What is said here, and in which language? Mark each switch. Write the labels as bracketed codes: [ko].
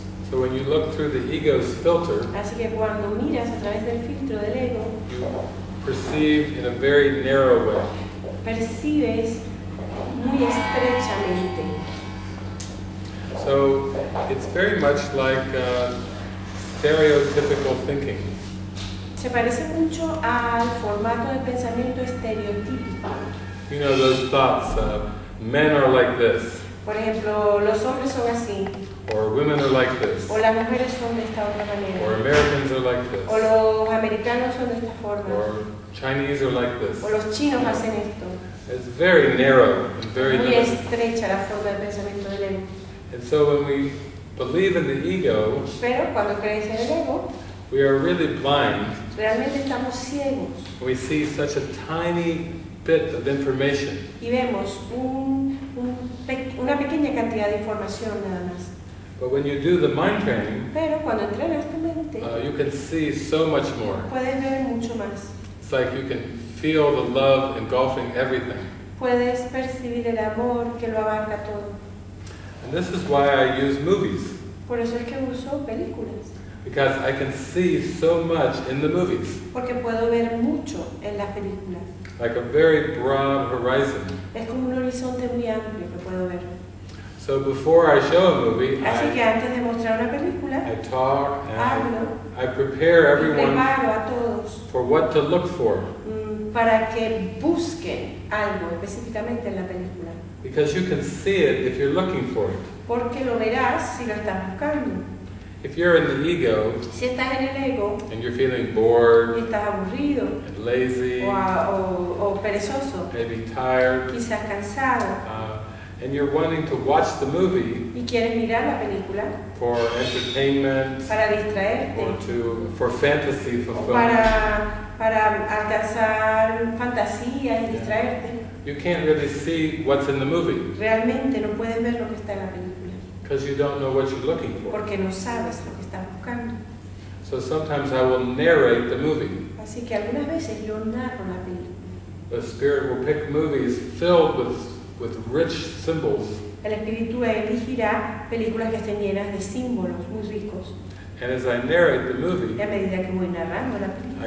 [en] So when you look through the ego's filter, [es] así que cuando miras a través del filtro del ego, [en] you perceive in a very narrow way. [es] Percibes muy estrechamente. [en] So it's very much like stereotypical thinking. [es] Se parece mucho al formato de pensamiento estereotípico. [en] You know those thoughts, men are like this. [es] Por ejemplo, los hombres son así. [en] Or women are like this. [es] O las mujeres son de esta otra manera. [en] Or Americans are like this. [es] O los americanos son de esta forma. [en] Or Chinese are like this. [es] O los chinos hacen esto. [en] It's very narrow and very limited. [es] Muy estrecha la forma de pensamiento del ego. [en] And so when we believe in the ego, [es] pero cuando crees en el ego, [en] we are really blind. [es] Realmente estamos ciegos. [en] We see such a tiny bit of information. [es] Y vemos una pequeña cantidad de información nada más. [en] But when you do the mind training, [es] pero cuando entrenas tu mente, [en] you can see so much more. [es] Puedes ver mucho más. [en] It's like you can feel the love engulfing everything. [es] Puedes percibir el amor que lo abarca todo. [en] And this is why I use movies. [es] Por eso es que uso películas. [en] Because I can see so much in the movies. [es] Porque puedo ver mucho en las películas. [en] Like a very broad horizon. [es] Es como un horizonte muy amplio que puedo ver. [en] So before I show a movie, [es] así que antes de mostrar una película, [en] I talk and [es] hablo, [en] I prepare everyone [es] a todos [en] for what to look for. [es] Para que busquen algo específicamente en la película. [en] Because you can see it if you're looking for it. [es] Porque lo verás si lo estás buscando. [en] If you're in the ego, [es] si estás en el ego, [en] and you're feeling bored, [es] y estás aburrido, [en] and lazy, [es] o perezoso, [en] maybe tired, [es] quizás cansado, [en] and you're wanting to watch the movie, [es] y quieres mirar la película, [en] for entertainment, [es] para distraerte, [en] for fantasy fulfillment, [es] para alcanzar fantasías y distraerte. [en] You can't really see what's in the movie. [es] Realmente no puedes ver lo que está en la película. [en] Because you don't know what you're looking for. [es] Porque no sabes lo que estás buscando. [en] So sometimes I will narrate the movie. [es] Así que algunas veces yo narro la película. [en] The spirit will pick movies filled with rich symbols. [es] El espíritu elegirá películas que estén llenas de símbolos muy ricos. [en] And as I narrate the movie, [es] y a medida que voy narrando la película,